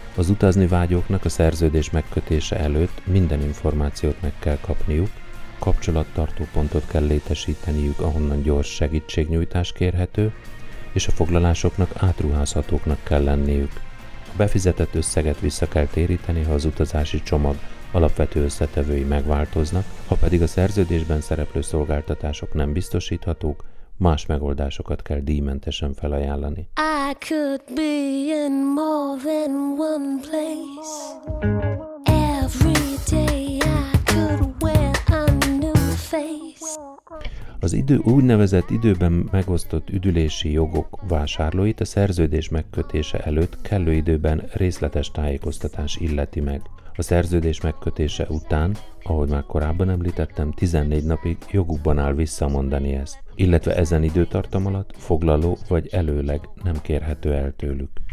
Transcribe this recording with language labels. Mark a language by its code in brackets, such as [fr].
[hu] Az utazni vágyóknak a szerződés megkötése előtt minden információt meg kell kapniuk, kapcsolattartó pontot kell létesíteniük, ahonnan gyors segítségnyújtás kérhető, és a foglalásoknak átruházhatóknak kell lenniük. A befizetett összeget vissza kell téríteni, ha az utazási csomag alapvető összetevői megváltoznak, ha pedig a szerződésben szereplő szolgáltatások nem biztosíthatók, más megoldásokat kell díjmentesen felajánlani. [en] I could be in more than one place. Every day I could wear a new face. [hu] Az idő úgynevezett időben megosztott üdülési jogok vásárlóit a szerződés megkötése előtt kellő időben részletes tájékoztatás illeti meg. A szerződés megkötése után, ahogy már korábban említettem, 14 napig jogukban áll visszamondani ezt, illetve ezen időtartam alatt foglaló vagy előleg nem kérhető el tőlük.